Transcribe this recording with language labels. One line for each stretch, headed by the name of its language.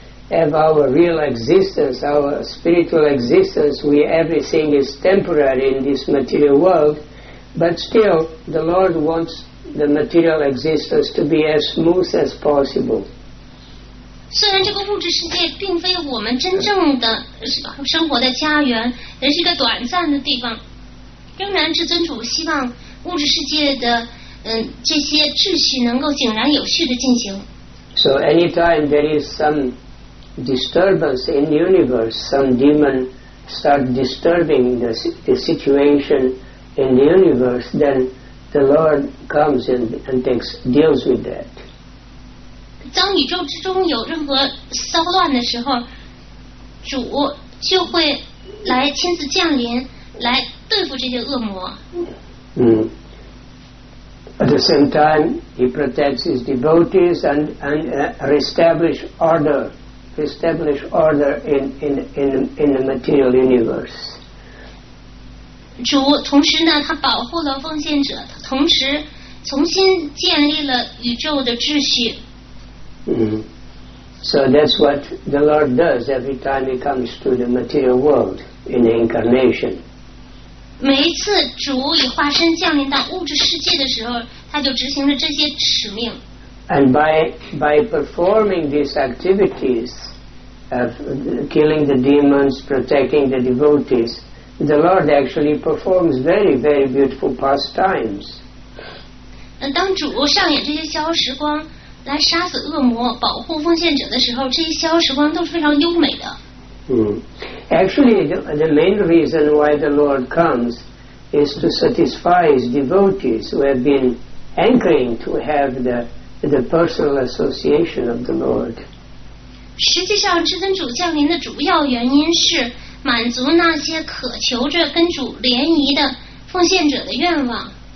English: Have our real existence, our spiritual existence, where everything is temporary in this material world, but still the Lord wants the material existence to be as smooth as possible.
Chinese: 虽然这个物质世界并非我们真正的生活的家园，而是一个短暂的地方，仍然至尊主希望物质世界的这些秩序能够井然有序的进行。
English: So anytime there is some disturbance in the universe, some demon start disturbing the situation in the universe, then the Lord comes and deals with that.
Chinese: 当宇宙之中有任何骚乱的时候，主就会来亲自降临，来对付这些恶魔。
English: At the same time, he protects his devotees and reestablish order. Establish order in the material universe.
Chinese: 主同时呢，他保护了奉献者，同时重新建立了宇宙的秩序。
English: So that's what the Lord does every time he comes to the material world in the incarnation.
Chinese: 每一次主以化身降临到物质世界的时候，他就执行了这些使命。
English: And by performing these activities. Killing the demons, protecting the devotees, the Lord actually performs very, very beautiful pastimes.
Chinese: 当主上演这些逍遥时光来杀死恶魔、保护奉献者的时候，这些逍遥时光都是非常优美的。
English: Actually, the main reason why the Lord comes is to satisfy his devotees who have been hankering to have the personal association of the Lord.
Chinese: 实际上至尊主降临的主要原因是满足那些渴求着跟主联谊的奉献者的愿望。